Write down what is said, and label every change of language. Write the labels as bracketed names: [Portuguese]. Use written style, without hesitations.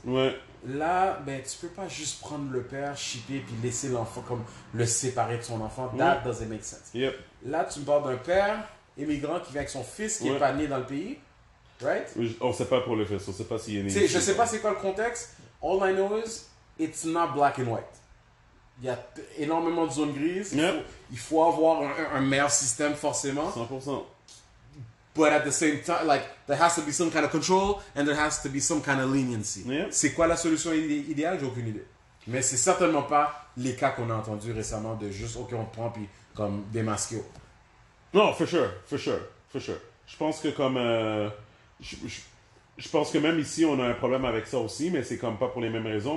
[French] Ouais. Là, ben, tu peux pas juste prendre le père, shipper, puis laisser l'enfant comme le séparer de son enfant. [English] That doesn't make sense. Yep. [French] Là, tu me parles d'un père immigrant qui vient avec son fils qui est pas né dans le pays. [English] Right? [French] On sait pas pour le fils, on sait pas s'il est né. T'sais, je sais pas c'est quoi le contexte. [English] All I know is it's not black and white. [French] Il y a énormément de zones grises. [English] Yep. [French] Il faut avoir un meilleur système, forcément. [English] 100%. But at the same time, like, there has to be some kind of control and there has to be some kind of leniency. Yeah. [French] C'est quoi la solution idéale? J'ai aucune idée. Mais c'est certainement pas les cas qu'on a entendus récemment de juste, OK, on prend puis comme des masques. Non, [English] for sure. [French] Je pense que comme... Je pense que même ici, on a un problème avec ça aussi, mais c'est comme pas pour les mêmes raisons.